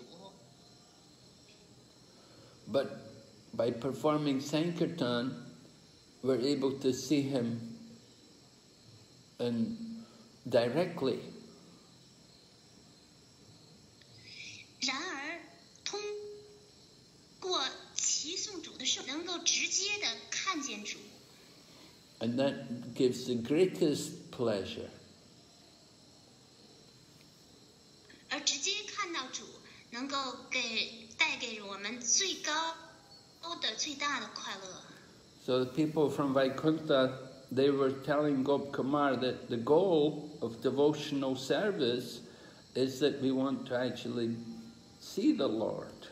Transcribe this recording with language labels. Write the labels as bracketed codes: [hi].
[zh] 当你坐下来开始冥想的时候，能够见到内心的主。But [en] by performing Sankirtan, we're able to see him and directly. [zh] 然而，通过齐颂主的时候，能够直接的看见主。And [en] that gives the greatest pleasure. [zh] 而直接看到主，能够给带给我们最高的、最大的快乐。So [en] the people from Vaikuntha, they were telling Gop Kumar that the goal of devotional service is that we want to actually see the Lord.